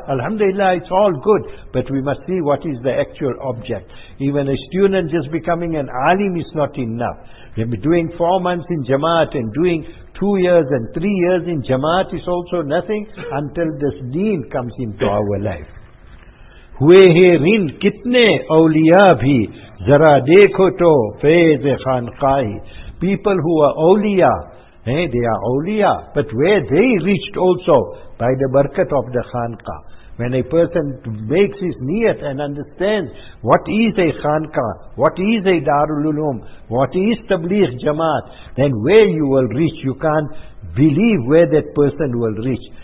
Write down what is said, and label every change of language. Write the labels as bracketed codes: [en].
[en] Alhamdulillah, it's all good. But we must see what is the actual object. Even a student just becoming an alim is not enough. They may be doing 4 months in Jamaat, and doing 2 years and 3 years in Jamaat is also nothing, until this deen comes into our life. [ur] ہوئے ہیں رند کتنے اولیاء بھی ذرا دیکھو تو فیض خانقاہی. [en] People who are [ur] اولیاء, [en] Hey, they are awliya. But where they reached also by the barakat of the khanqah. When a person makes his niyat and understands what is a khanqah, what is a darul ulum, what is tabligh jamaat, then where you will reach, you can't believe where that person will reach.